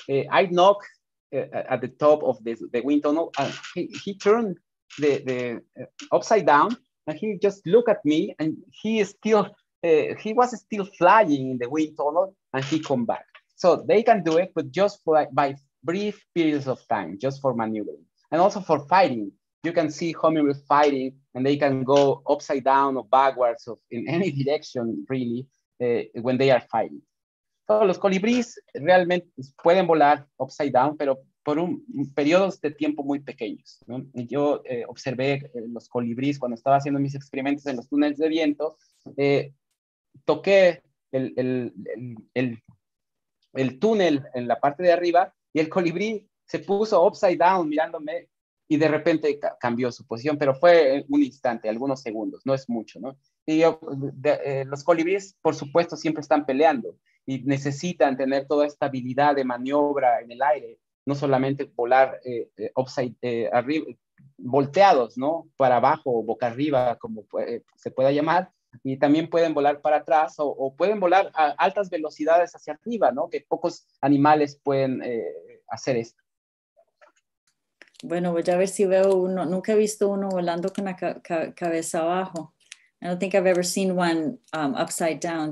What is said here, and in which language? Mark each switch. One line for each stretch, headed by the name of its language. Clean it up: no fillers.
English: I knock at the top of the wind tunnel, and he turned the upside down, and he just looked at me, and he is still he was still flying in the wind tunnel, and he come back. So they can do it, but just for, like, by brief periods of time, just for maneuvering, and also for fighting. You can see hummingbirds fighting, and they can go upside down or backwards or in any direction, really, when they are fighting.
Spanish: Todos los colibríes realmente pueden volar
English: upside down,
Spanish: pero por un periodos de tiempo muy pequeños, ¿no? Yo observé los colibríes cuando estaba haciendo mis experimentos en los túneles de viento. Toqué el túnel en la parte de arriba y el colibrí se puso
English: upside down
Spanish: mirándome y de repente cambió su posición, pero fue un instante, algunos segundos, no es mucho, ¿no? Y yo, los colibríes, por supuesto, siempre están peleando y necesitan tener toda esta habilidad de maniobra en el aire, no solamente volar upside arriba, volteados, ¿no? Para abajo o boca arriba, como se pueda llamar, y también pueden volar para atrás o pueden volar a altas velocidades hacia arriba, ¿no? Que pocos animales pueden hacer esto. Bueno, voy a ver si veo uno. Nunca he visto uno volando con la cabeza abajo.
English: I don't think I've ever seen one upside down.